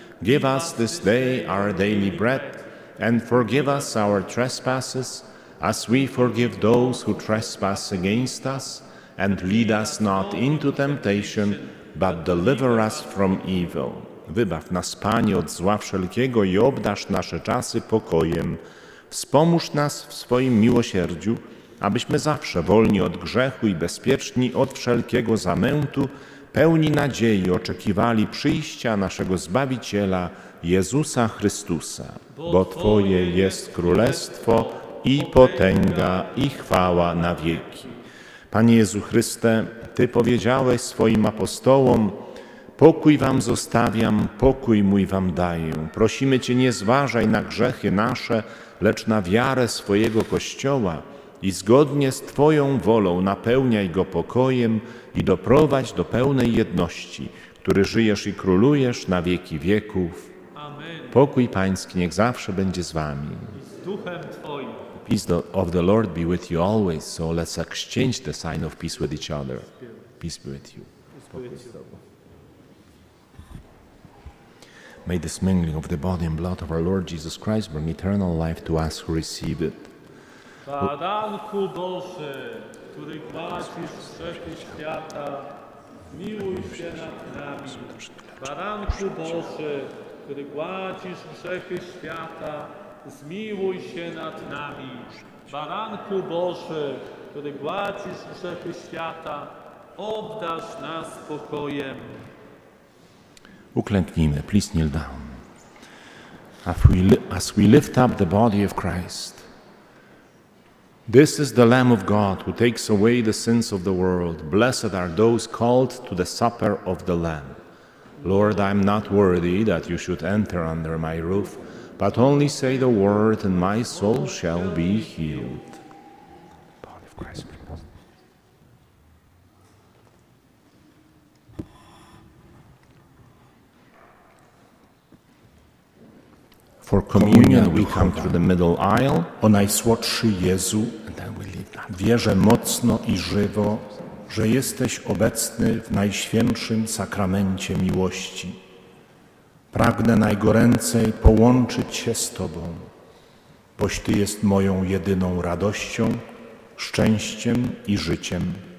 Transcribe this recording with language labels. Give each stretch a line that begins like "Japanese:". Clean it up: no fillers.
English: Give us this day our daily bread, and forgive us our trespasses, as we forgive those who trespass against us. And lead us not into temptation, but deliver us from evil.
Polish: Wybaw nas, Panie, od zła wszelkiego i obdarz nasze czasy pokojem. Wspomóż nas w swoim miłosierdziu, abyśmy zawsze wolni od grzechu i bezpieczni od wszelkiego zamętu, pełni nadziei oczekiwali przyjścia naszego Zbawiciela, Jezusa Chrystusa. Bo Twoje jest królestwo i potęga i chwała na wieki. Panie Jezu Chryste, Ty powiedziałeś swoim apostołom: pokój Wam zostawiam, pokój mój Wam daję. Prosimy Cię, nie zważaj na grzechy nasze, lecz na wiarę swojego Kościoła i zgodnie z Twoją wolą napełniaj go pokojem i doprowadź do pełnej jedności, który żyjesz i królujesz na wieki wieków. Amen. Pokój Pański niech zawsze będzie z Wami. I z Duchem Twoim.
English: The peace of the Lord be with you always, so let's exchange the sign of peace with each other. Peace be with you. May this mingling of the body and blood of our Lord Jesus Christ bring eternal life to us who receive it.
Polish: Baranku Boże, który gładzisz grzechy świata, miłuj się nad nami. Baranku Boże, który gładzisz grzechy świata, zmiłuj się nad nami. Baranku Boże, który gładzisz grzechy świata, obdarz nas pokojem. Uklęknijmy,
English: please kneel down. As we lift up the body of Christ, this is the Lamb of God who takes away the sins of the world. Blessed are those called to the supper of the Lamb. Lord, I am not worthy that you should enter under my roof, but only say the word and my soul shall be healed. Body of Christ. For communion we come through the middle aisle.
Polish: O Najsłodszy Jezu, wierzę mocno i żywo, że jesteś obecny w Najświętszym Sakramencie Miłości. Pragnę najgoręcej połączyć się z Tobą, boś Ty jest moją jedyną radością, szczęściem i życiem.